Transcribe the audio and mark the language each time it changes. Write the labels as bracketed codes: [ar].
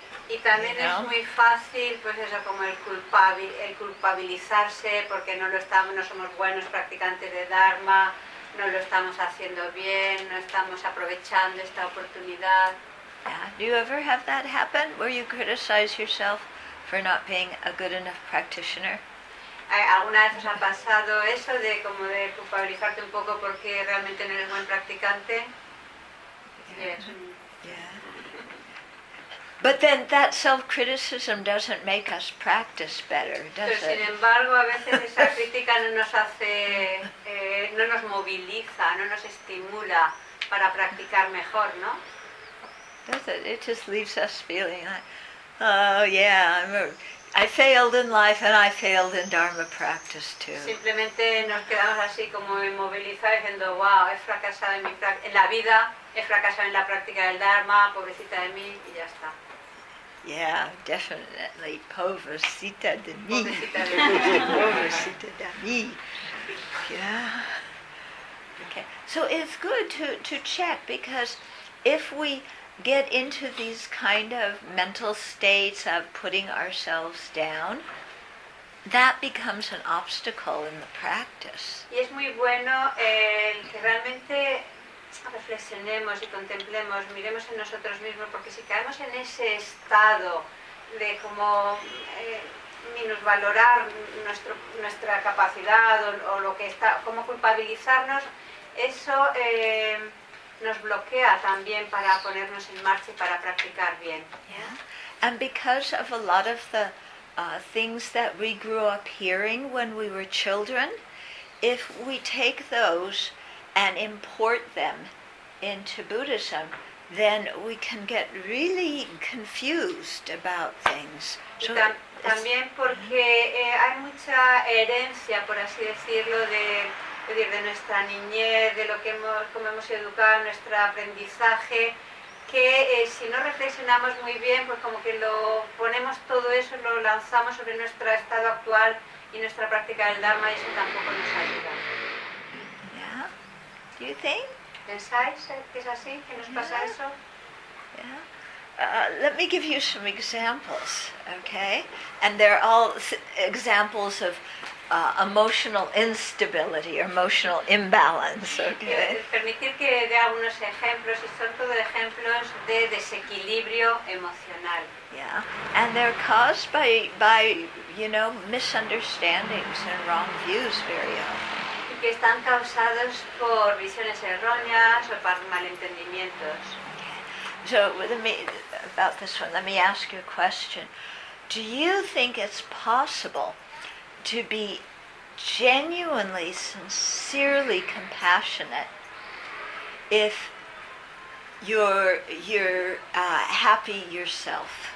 [es] Y también es muy fácil, pues eso, como el culpabilizarse porque no somos buenos practicantes de Dharma, no lo estamos haciendo bien, no estamos aprovechando esta oportunidad. [en] Yeah. Do you ever have that happen where you criticize yourself for not being a good enough practitioner? [es] ¿Alguna vez os ha pasado eso de como de culpabilizarte un poco porque realmente no eres buen practicante? [en] Yeah. But then that self-criticism doesn't make us practice better, does it? [es] Pero sin embargo, a veces esa crítica no nos hace, no nos moviliza, no nos estimula para practicar mejor, ¿no? [en] Does it? It just leaves us feeling like, oh yeah, I failed in life and I failed in Dharma practice too. [es] Simplemente nos quedamos así como inmovilizados diciendo, wow, he fracasado en la vida, he fracasado en la práctica del Dharma, pobrecita de mí, y ya está. [en] Yeah, definitely, [es] pobrecita de mí. Pobrecita de mí. [en] Yeah. Okay. So it's good to check, because if we get into these kind of mental states of putting ourselves down, that becomes an obstacle in the practice. [es] Y es muy bueno que realmente reflexionemos y contemplemos, miremos en nosotros mismos, porque si caemos en ese estado de como minusvalorar nuestra capacidad o lo que está, como culpabilizarnos, eso nos bloquea también para ponernos en marcha y para practicar bien. [en] Yeah. And because of a lot of the things that we grew up hearing when we were children, if we take those and import them into Buddhism, then we can get really confused about things. [es] So también porque hay mucha herencia, por así decirlo, de nuestra niñez, de lo que hemos, cómo hemos educado, nuestro aprendizaje, que si no reflexionamos muy bien, pues como que lo ponemos todo eso, lo lanzamos sobre nuestro estado actual y nuestra práctica del Dharma, y eso tampoco nos ayuda. [en] Yeah. Do you think? [es] ¿Pensáis que es así, que nos pasa [en] yeah. [es] eso? [en] Yeah. Let me give you some examples, okay? And they're all examples of emotional instability or emotional imbalance, okay? [es] Permitir que dé algunos ejemplos, y son todo ejemplos de desequilibrio emocional. [en] Yeah, and they're caused by you know, misunderstandings and wrong views very often. [es] Y que están causados por visiones erróneas o por malentendimientos. [en] So about this one, let me ask you a question. Do you think it's possible to be genuinely, sincerely compassionate if you're happy yourself?